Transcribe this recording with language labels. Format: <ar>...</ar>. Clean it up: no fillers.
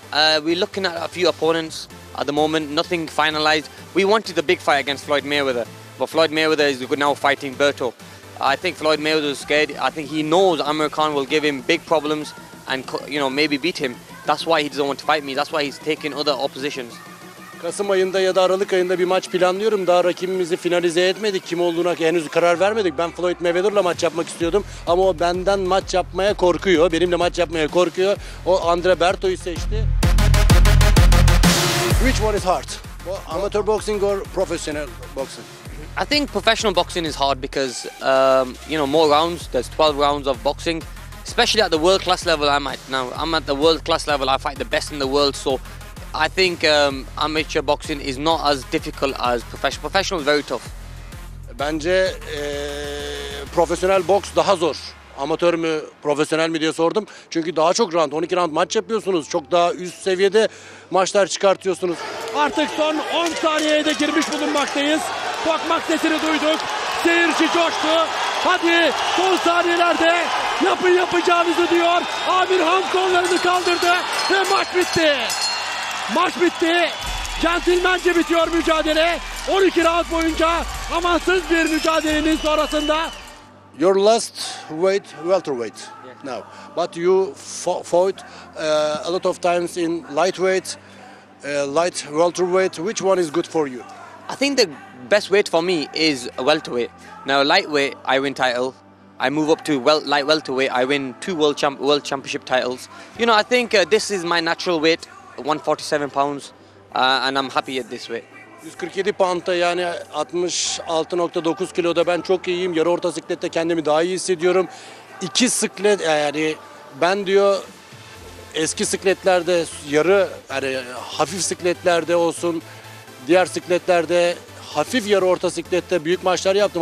<en>We're looking at a few opponents at the moment, nothing finalized. We wanted a big fight against Floyd Mayweather, but Floyd Mayweather is now fighting Berto. I think Floyd Mayweather is scared. I think he knows Amir Khan will give him big problems and, you know, maybe beat him. That's why he doesn't want to fight me. That's why he's taking other oppositions.</en> <tr>Kasım ayında ya da Aralık ayında bir maç planlıyorum. Daha rakibimizi finalize etmedik. Kim olduğuna henüz karar vermedik. Ben Floyd Mayweather'la maç yapmak istiyordum. Ama o benden maç yapmaya korkuyor. Benimle maç yapmaya korkuyor. O Andre Berto'yu seçti.</tr> <en>Which one is hard? Amateur boxing or professional boxing? I think professional boxing is hard because, you know, more rounds. There's 12 rounds of boxing. Especially at the world class level I'm at now. I'm at the world class level. I fight the best in the world. So I think amateur boxing is not as difficult as professional. Professional is very tough.</en> <tr>Bence profesyonel boks daha zor. Amatör mü, profesyonel mi diye sordum. Çünkü daha çok round, 12 round maç yapıyorsunuz. Çok daha üst seviyede maçlar çıkartıyorsunuz. Artık son 10 saniyeye de girmiş bulunmaktayız. Tokmak sesini duyduk. Seyirci coştu. Hadi son saniyelerde yapın yapacağınızı diyor. Amir Han kollarını kaldırdı ve maç bitti. Maç bitti. Gentlemence bitiyor mücadele. 12 round boyunca amansız bir mücadelenin sonrasında.</tr> <en>Your last weight, welterweight now. But you fought a lot of times in lightweight, light welterweight. Which one is good for you? I think the best weight for me is welterweight. Now lightweight, I win title. I move up to light welterweight. I win two world championship titles. You know, I think this is my natural weight, 147 pounds, and I'm happy at this weight.</en> <tr>147 pound'da yani 66.9 kiloda ben çok iyiyim. Yarı orta siklette kendimi daha iyi hissediyorum. İki siklet yani ben diyor eski sikletlerde yarı yani hafif sikletlerde olsun diğer sikletlerde hafif yarı orta siklette büyük maçlar yaptım.</tr>